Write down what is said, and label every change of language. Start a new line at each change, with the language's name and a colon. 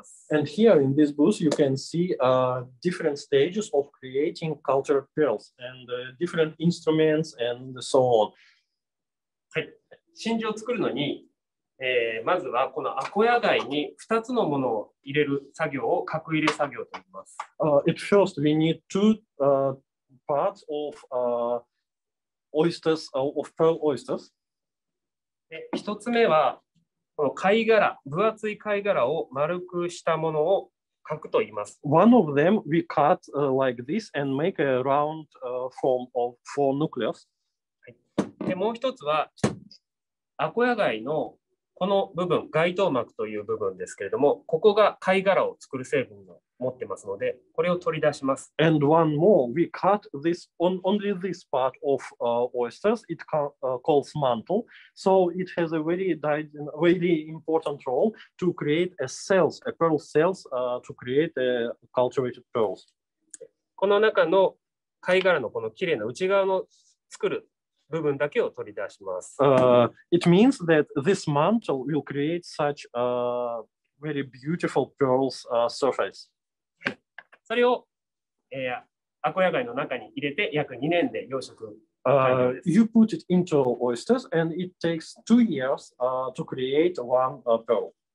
English: And here in this booth, you can see different stages of creating cultured pearls and different instruments and so on.
Japanese: 真珠を作るのに、まずはこのアコヤ貝に2つのものを入れる作業を核入れ作業と言います。
English: At first, we need two parts of oysters, of pearl oysters.
Japanese: 一つ目はこの貝殻、分厚い貝殻を丸くしたものを核と言います。
English: One of them we cut like this and make a round form of four nucleus.
Japanese: でもう一つはアコヤ貝のこの部分、外頭膜という部分ですけれども、ここが貝殻を作る成分を持ってますので、これを取り出します。
English: And one more, we cut this on only this part of oysters. It calls mantle. So it has a very very important role to create a cells, a pearl cells, to create a cultivated pearls.
Japanese: この中の貝殻のこの綺麗な内側の作る部分だけを取り出します。
English: It means that this mantle will create such a very beautiful pearls surface.
Japanese: それを、アコヤ貝の中に入れて約2年で養殖。
English: You put it into oysters and it takes 2 years to create one pearl.